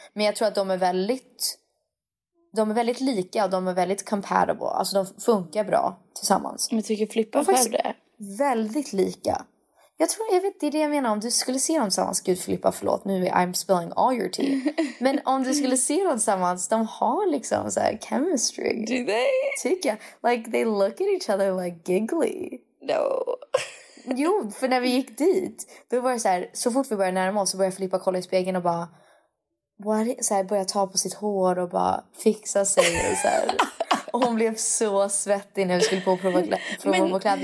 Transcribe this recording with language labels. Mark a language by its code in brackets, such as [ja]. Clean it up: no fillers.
[sv] Men jag tror att de är väldigt lika och de är väldigt compatible. Alltså de funkar bra tillsammans. Men tycker Filippa själv det? Väldigt lika. Jag tror, jag vet, det är det jag menar. Om du skulle se dem tillsammans, gud Filippa, förlåt. Nu är [en] I'm spilling all your tea. [sv] Men om du skulle se dem tillsammans, de har liksom så här chemistry. [en] Do they? [sv] Tycker jag. [en] Like, they look at each other like giggly. No. [sv] Jo, för när vi gick dit, då var det så här, så fort vi började närma oss så började Filippa kolla i spegeln och bara... börja ta på sitt hår och bara fixa sig och så här. Och hon blev så svettig när vi skulle på att prova kläder.